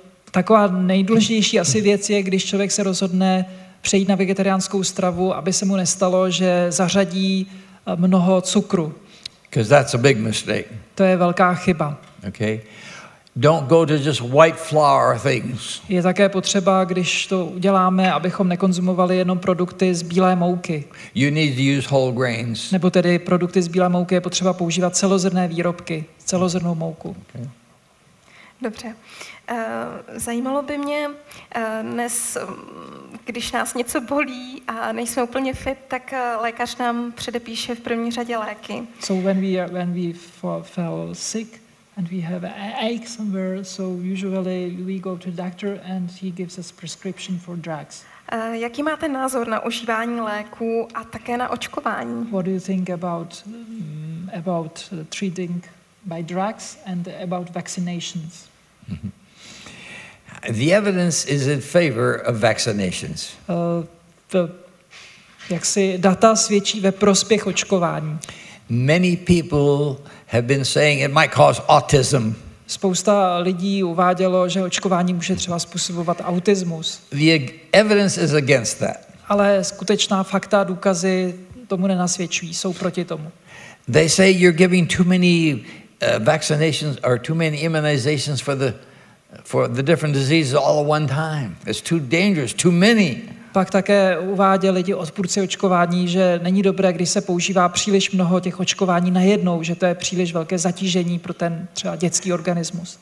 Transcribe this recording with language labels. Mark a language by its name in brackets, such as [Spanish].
[Czech] Taková nejdůležitější asi věc je, když člověk se rozhodne přejít na vegetariánskou stravu, aby se mu nestalo, že zařadí mnoho cukru. [English] Because that's a big mistake. [Czech] To je velká chyba. [English] Okay. Don't go to just white flour things. [Czech] Je také potřeba, když to uděláme, abychom nekonzumovali jenom produkty z bílé mouky. [English] You need to use whole grains. [Czech] Nebo tedy produkty z bílé mouky je potřeba používat celozrnné výrobky, celozrnnou mouku. [English] Okay. [Czech] Dobře. Zajímalo by mě dnes, když nás něco bolí a nejsme úplně fit, tak lékař nám předepíše v první řadě léky. [English] So when we fell sick, and we have an ache somewhere, so usually we go to the doctor and he gives us prescription for drugs. [Czech] Jaký máte názor na užívání léků a také na očkování? [English] What do you think about treating by drugs and about vaccinations? The evidence is in favor of vaccinations. [Czech] Jaksi data svědčí ve prospěch očkování. [English] Many people have been saying it might cause autism. [Czech] Spousta lidí uvádělo, že očkování může třeba způsobovat autismus. [English] The evidence is against that. [Czech] Ale skutečná fakta, důkazy tomu nenasvědčují, jsou proti tomu. [English] They say you're giving too many vaccinations or too many immunizations for the different diseases all at one time. It's too dangerous, too many. [Czech] Pak také uváděli lidi odpůrci očkování, že není dobré, když se používá příliš mnoho těch očkování najednou, že to je příliš velké zatížení pro ten třeba dětský organismus.